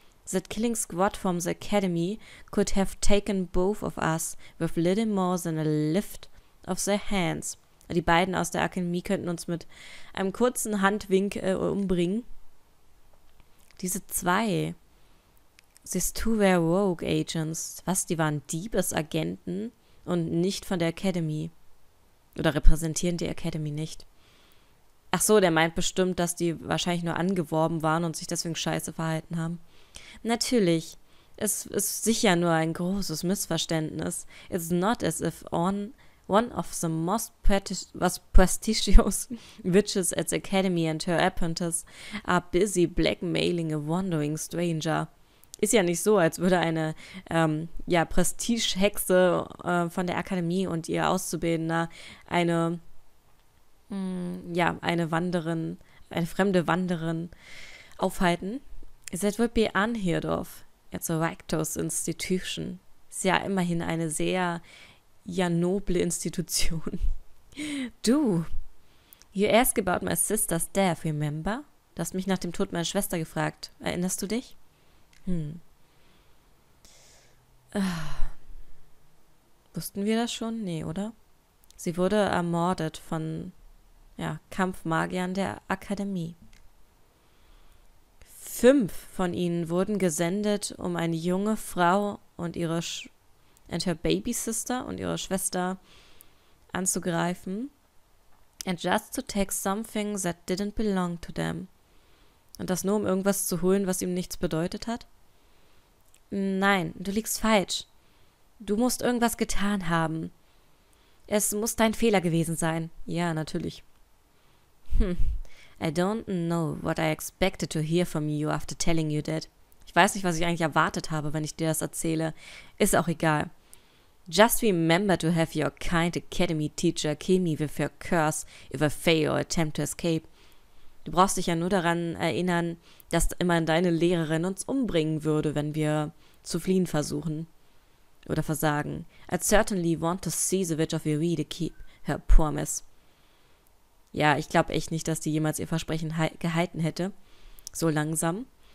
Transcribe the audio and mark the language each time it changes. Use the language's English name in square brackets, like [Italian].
[English] That killing squad from the academy could have taken both of us with little more than a lift of their hands. [German] Die beiden aus der Akademie könnten uns mit einem kurzen Handwink umbringen. Diese zwei. [English] These two were rogue agents. [German] Was, die waren Diebesagenten und nicht von der Academy. Oder repräsentieren die Academy nicht. Ach so, der meint bestimmt, dass die wahrscheinlich nur angeworben waren und sich deswegen scheiße verhalten haben. Natürlich. Es ist sicher nur ein großes Missverständnis. [English] It's not as if one of the most prestigious witches at the Academy and her apprentice are busy blackmailing a wandering stranger. [German] Ist ja nicht so, als würde eine Prestige-Hexe von der Akademie und ihr Auszubildender eine fremde Wanderin aufhalten. [English] That would be unheard of at the Rector's Institution. [German] Ist ja immerhin eine sehr, ja, noble Institution. [English] Du, you ask about my sister's death, remember? [German] Du hast mich nach dem Tod meiner Schwester gefragt. Erinnerst du dich? Wussten wir das schon? Nee, oder? Sie wurde ermordet von, ja, Kampfmagiern der Akademie. 5 von ihnen wurden gesendet, um eine junge Frau und ihre [English] and her baby sister [German] und ihre Schwester anzugreifen. [English] And just to take something that didn't belong to them. [German] Und das nur, um irgendwas zu holen, was ihm nichts bedeutet hat? Nein, du liegst falsch. Du musst irgendwas getan haben. Es muss dein Fehler gewesen sein. Ja, natürlich. [English] I don't know what I expected to hear from you after telling you that. [German] Ich weiß nicht, was ich eigentlich erwartet habe, wenn ich dir das erzähle. Ist auch egal. [English] Just remember to have your kind academy teacher kill me with her curse if I fail or attempt to escape. [German] Du brauchst dich ja nur daran erinnern, dass immer deine Lehrerin uns umbringen würde, wenn wir zu fliehen versuchen. Oder versagen. [English] I certainly want to see the Witch of Eerie to keep her promise. [German] Ja, ich glaube echt nicht, dass die jemals ihr Versprechen gehalten hätte. So langsam.